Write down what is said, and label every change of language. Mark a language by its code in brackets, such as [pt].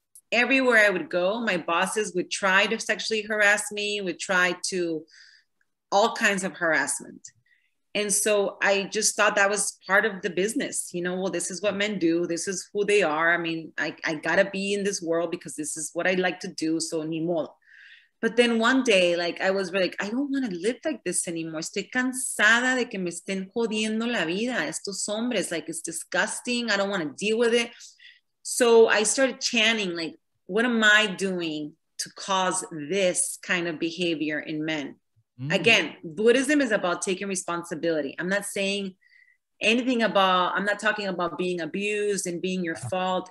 [en] Everywhere I would go, my bosses would try to sexually harass me, would try to all kinds of harassment. And so I just thought that was part of the business, you know, well, this is what men do. This is who they are. I mean, I gotta be in this world because this is what I like to do. So [es] ni modo. [en] But then one day, like, I was really like, I don't want to live like this anymore. [es] Estoy cansada de que me estén jodiendo la vida. Estos hombres, [en] like, it's disgusting. I don't want to deal with it. So I started chanting, like, what am I doing to cause this kind of behavior in men? Mm-hmm. Again, Buddhism is about taking responsibility. I'm not saying anything about, I'm not talking about being abused and being your fault.